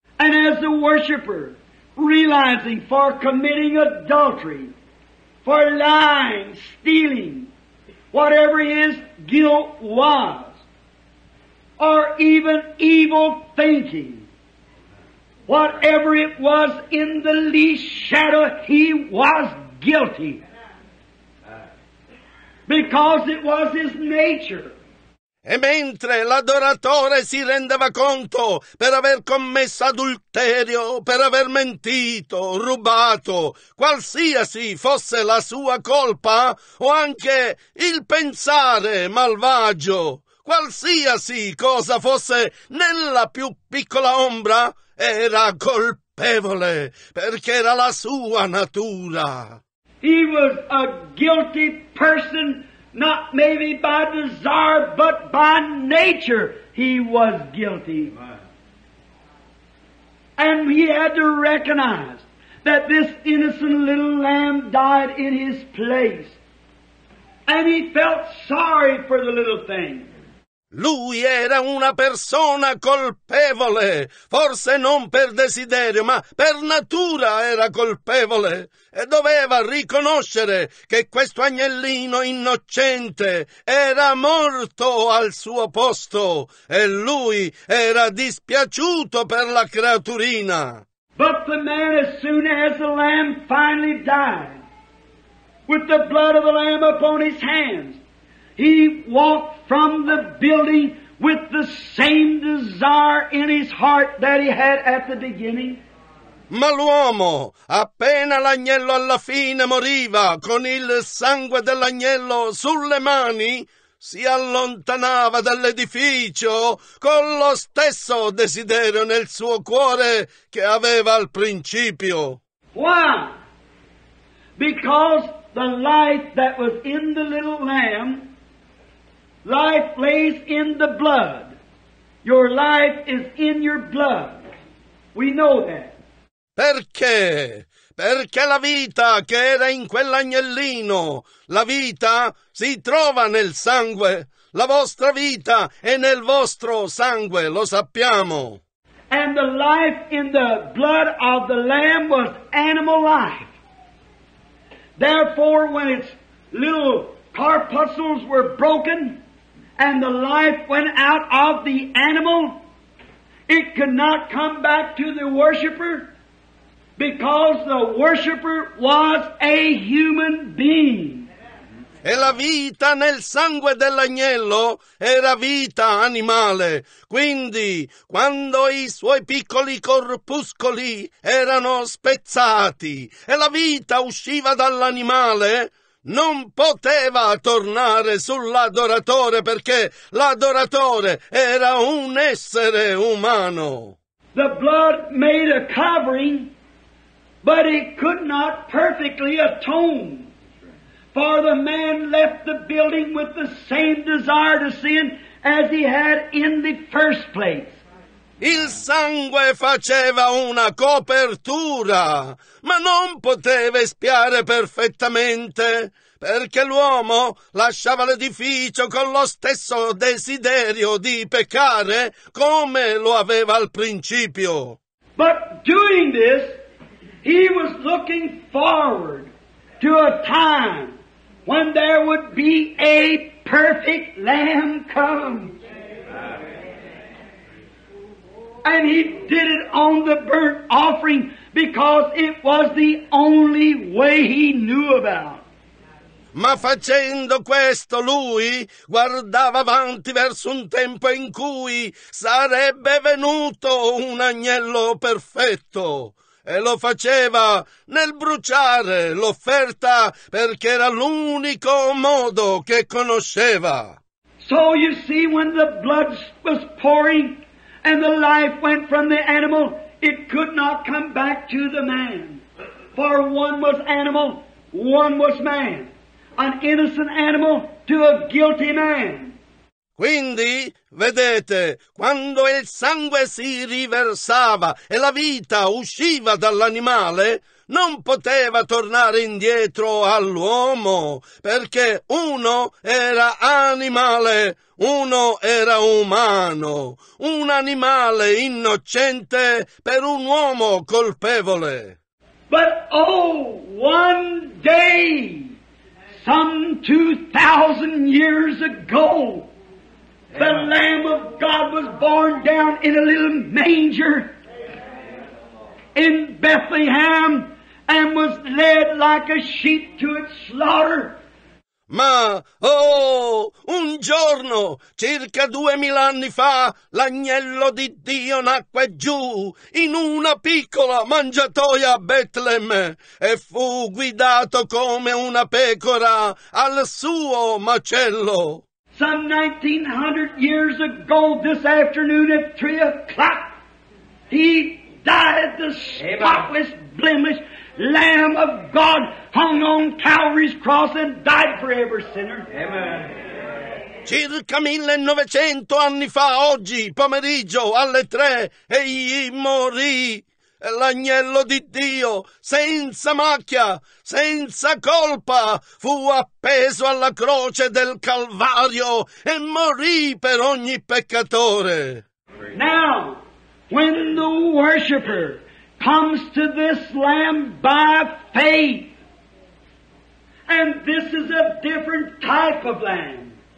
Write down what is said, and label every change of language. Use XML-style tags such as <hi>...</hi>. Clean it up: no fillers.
<en>And as the worshipper, realizing for committing adultery, for lying, stealing, whatever his guilt was, or even evil thinking, whatever it was, in the least shadow, he was guilty. Because it was his nature.</en> <it>E mentre l'adoratore si rendeva conto per aver commesso adulterio, per aver mentito, rubato, qualsiasi fosse la sua colpa, o anche il pensare malvagio, qualsiasi cosa fosse nella più piccola ombra, era colpevole, perché era la sua natura.</it> <en>He was a guilty person. Not maybe by desire, but by nature, he was guilty. And he had to recognize that this innocent little lamb died in his place. And he felt sorry for the little thing.</en> <it>Lui era una persona colpevole, forse non per desiderio, ma per natura era colpevole, e doveva riconoscere che questo agnellino innocente era morto al suo posto, e lui era dispiaciuto per la creaturina.</it> <en>But the man, as soon as the lamb finally died, with the blood of the lamb upon his hands, he walked from the building with the same desire in his heart that he had at the beginning.</en> <it>Ma l'uomo, appena l'agnello alla fine moriva, con il sangue dell'agnello sulle mani, si allontanava dall'edificio con lo stesso desiderio nel suo cuore che aveva al principio.</it> <en>Why? Because the life that was in the little lamb, life lays in the blood. Your life is in your blood. We know that.</en> <it>Perché? perché la vita che era in quell'agnellino, la vita si trova nel sangue. La vostra vita è nel vostro sangue, lo sappiamo.</it> <en>And the life in the blood of the lamb was animal life. Therefore, when its little corpuscles were broken and the life went out of the animal, it could not come back to the worshiper because the worshiper was a human being.</en> <it>E la vita nel sangue dell'agnello era vita animale. Quindi, quando i suoi piccoli corpuscoli erano spezzati e la vita usciva dall'animale, non poteva tornare sull'adoratore perché l'adoratore era un essere umano.</it> <en>The blood made a covering, but it could not perfectly atone. For the man left the building with the same desire to sin as he had in the first place.</en> <it>Il sangue faceva una copertura, ma non poteva espiare perfettamente, perché l'uomo lasciava l'edificio con lo stesso desiderio di peccare come lo aveva al principio.</it> <en>But doing this, he was looking forward to a time when there would be a perfect lamb come. And he did it on the burnt offering because it was the only way he knew about.</en> <it>Ma facendo questo lui guardava avanti verso un tempo in cui sarebbe venuto un agnello perfetto. E lo faceva nel bruciare l'offerta perché era l'unico modo che conosceva.</it> <en>So you see, when the blood was pouring and the life went from the animal, it could not come back to the man. For one was animal, one was man. An innocent animal to a guilty man.</en> <it>Quindi, vedete, quando il sangue si riversava e la vita usciva dall'animale, non poteva tornare indietro all'uomo, perché uno era animale, uno era umano, un animale innocente per un uomo colpevole.</it> <en>But oh, one day, some 2,000 years ago, the Lamb of God was born down in a little manger in Bethlehem and was led like a sheep to its slaughter.</en> <it>Ma, oh, un giorno, circa 2000 anni fa, l'agnello di Dio nacque giù in una piccola mangiatoia a Betlem e fu guidato come una pecora al suo macello.</it> <en>Some 1900 years ago this afternoon at 3 o'clock, he died the spotless, blemished Lamb of God hung on Calvary's cross and died for every sinner. Amen.</en> <it>Circa 1900 anni fa, oggi, pomeriggio, alle 3, egli morì. L'agnello di Dio, senza macchia, senza colpa, fu appeso alla croce del Calvario e morì per ogni peccatore.</it> <en>Now, when the worshiper comes to this Lamb by faith, and this is a different type of lamb.</en>